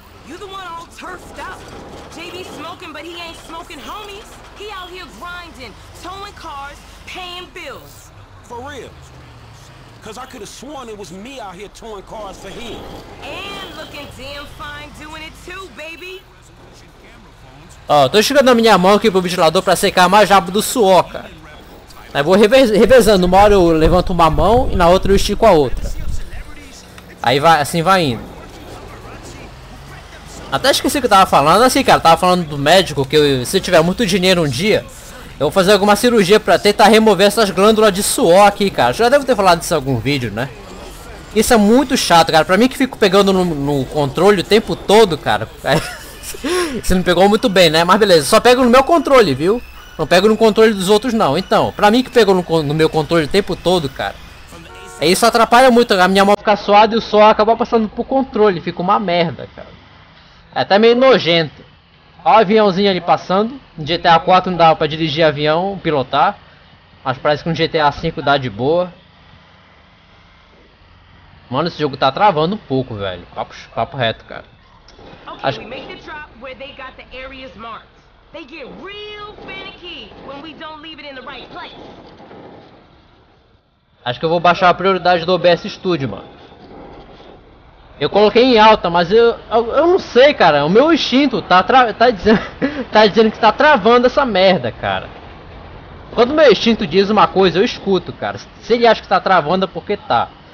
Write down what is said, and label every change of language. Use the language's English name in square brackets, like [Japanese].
[English] You the one all turfed up. JB smoking, but he ain't smoking homies. He out here grinding, towing cars, paying bills. For real? Cause I could have sworn it was me out here towing cars for him. And looking damn fine doing it too, baby. [Portuguese] Oh, tô chegando a minha mão aqui pro ventilador pra secar mais rápido do suor, cara. Aí vou revezando, uma hora eu levanto uma mão e na outra eu estico a outra. Aí vai, assim vai indo. Até esqueci o que eu tava falando, assim, cara, tava falando do médico, que se eu tiver muito dinheiro um dia, eu vou fazer alguma cirurgia pra tentar remover essas glândulas de suor aqui, cara. Já devo ter falado disso em algum vídeo, né? Isso é muito chato, cara, pra mim que fico pegando no controle o tempo todo, cara. Você não pegou muito bem, né? Mas beleza, só pego no meu controle, viu? Não pego no controle dos outros não. Então, pra mim que pegou no meu controle o tempo todo, cara. É isso, atrapalha muito. A minha mão fica suada e o suor acaba passando pro controle. Fica uma merda, cara. É até meio nojento. Olha o aviãozinho ali passando. No GTA 4 não dava pra dirigir avião, pilotar. Mas parece que no GTA 5 dá de boa. Mano, esse jogo tá travando um pouco, velho. Papo reto, cara. Acho... [English] They get real finicky when we don't leave it in the right place. [Portuguese] Acho que eu vou baixar a prioridade do OBS Studio, mano. Eu coloquei em alta, mas eu não sei, cara. O meu instinto tá dizendo que tá travando essa merda, cara. Quando meu instinto diz uma coisa, eu escuto, cara. Se ele acha que tá travando, é porque tá.